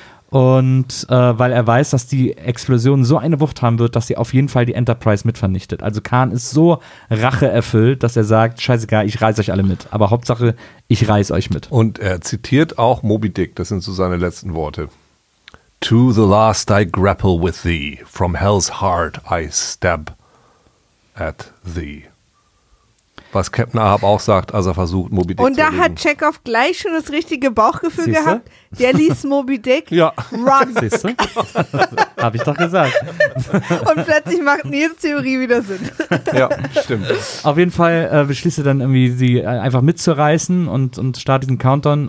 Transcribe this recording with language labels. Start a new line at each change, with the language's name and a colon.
German: Und weil er weiß, dass die Explosion so eine Wucht haben wird, dass sie auf jeden Fall die Enterprise mitvernichtet. Also Khan ist so racheerfüllt, dass er sagt, scheißegal, ich reiß euch alle mit. Aber Hauptsache, ich reiß euch mit. Und er zitiert auch Moby Dick, das sind so seine letzten Worte.
English: To the last I grapple with thee, from hell's heart I stab at thee.
German: Was Captain Ahab auch sagt, als er versucht, Moby Dick zu Und da hat Chekhov gleich schon das richtige Bauchgefühl Siehste? Gehabt. Der liest Moby Dick. Ja. Run. Siehste? Hab ich doch gesagt. Und plötzlich macht Nils Theorie wieder Sinn. Ja, stimmt. Auf jeden Fall beschließt er dann irgendwie, sie einfach mitzureißen und startet diesen Countdown.